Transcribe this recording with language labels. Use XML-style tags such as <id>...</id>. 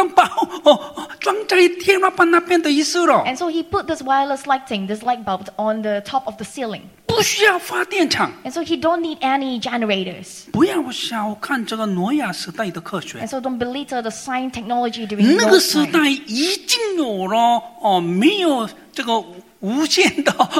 <zh>把这个无线的灯泡嘛，这个灯泡装在天花板那边的意思了.</zh> <en>And so he put this wireless lighting, this light bulb, on the top of the ceiling.</en> <zh>不需要发电厂.</zh> <en>And so he don't need any generators.</en> <zh>不要小看这个挪亚时代的科学.</zh> <en>And so don't belittle the science technology during Noah's time.</en> <zh>那个时代已经有了，没有这个无线的。</zh>